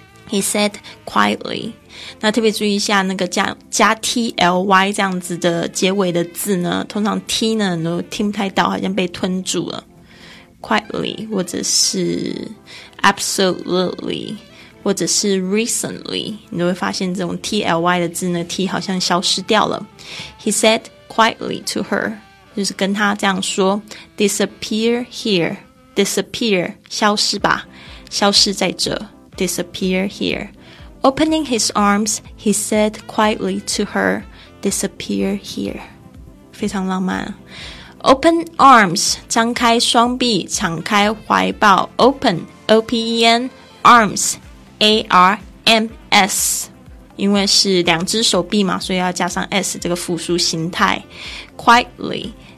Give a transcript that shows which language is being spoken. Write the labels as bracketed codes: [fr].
[en] He said quietly, [zh] 那特别注意一下那个 加 T-L-Y 这样子的结尾的字呢，通常 T 呢你都听不太到，好像被吞住了， quietly, 或者是 absolutely, 或者是 recently, 你都会发现这种 T-L-Y 的字呢 T 好像消失掉了。 [en] He saidquietly to her, [zh] 就是跟他这样说， [en] disappear here, disappear, [zh] 消失吧，消失在这， [en] disappear here. Opening his arms, he said quietly to her, disappear here. [zh] 非常浪漫。 [en] Open arms, [zh] 张开双臂，敞开怀抱， open, O-P-E-N, arms, A-R-M-S,因为是两只手臂嘛，所以要加上 S 这个复数形态， quietly,